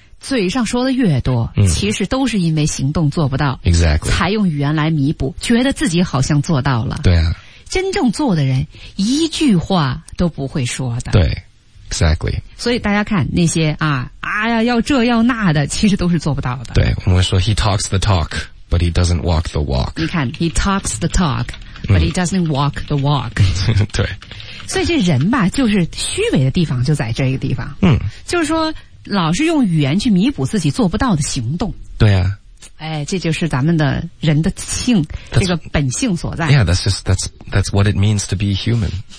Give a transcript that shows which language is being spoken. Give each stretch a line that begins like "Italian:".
Chinese: 嘴上说的越多其实都是因为行动做不到。
English: Exactly.
Chinese: 才用语言来弥补，觉得自己好像做到了。对啊。真正做的人一句话都不会说的。对。
English: Exactly.
Chinese: 所以大家看那些啊哎呀要这要那的其实都是做不到的。对。我们说
English: ,he talks the talk, but he doesn't walk the walk.
Chinese: 你看
English: ,he talks the talk, but he doesn't walk the walk.
Chinese: 对。所以这人吧就是虚伪的地方就在这个地方。嗯。就是说老是用语言去弥补自己做不到的行动。对啊。哎，这就是咱们的人的性
English: that's,
Chinese: 这个本性所在。
English: Yeah, that's what it means to be human.